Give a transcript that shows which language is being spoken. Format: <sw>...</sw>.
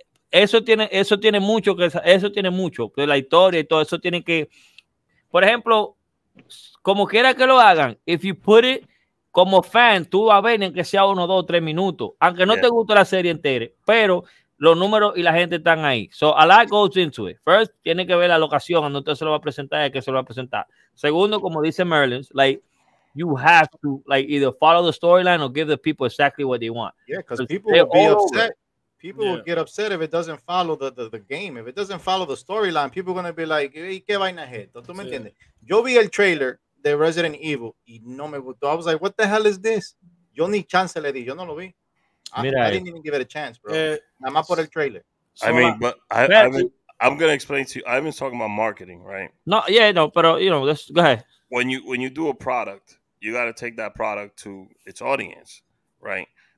<es>Eso tiene mucho, pero la historia y todo eso tiene que, por ejemplo, como quiera que lo hagan,</es> <en>if you put it</en> <es>como fan, tú vas a ver en que sea uno, dos, tres minutos, aunque no te guste la serie entera, pero los números y la gente están ahí.</es> <en>So a lot goes into it. First,</en> <es>tiene que ver la locación, donde usted se lo va a presentar y que se lo va a presentar. Segundo, como dice Merlin,</es> <en>like, you have to like either follow the storyline or give the people exactly what they want. Yeah, because people will be upset. People will get upset if it doesn't follow the game. If it doesn't follow the storyline, people are going to be like, hey,</en> <es>¿qué vaina es esto? ¿Tú me entiendes? Yo vi el trailer de Resident Evil y no me gustó.</es> <en>I was like, what the hell is this?</en> <es>Yo ni chance le di. Yo no lo vi. Mira,</es> <en>I didn't even give it a chance, bro.</en> <es>Nada más por el trailer.</es> <en>I'm going to explain to you. I've been talking about marketing, right? Let's go ahead. When you do a product, you got to take that product to its audience, right?</en>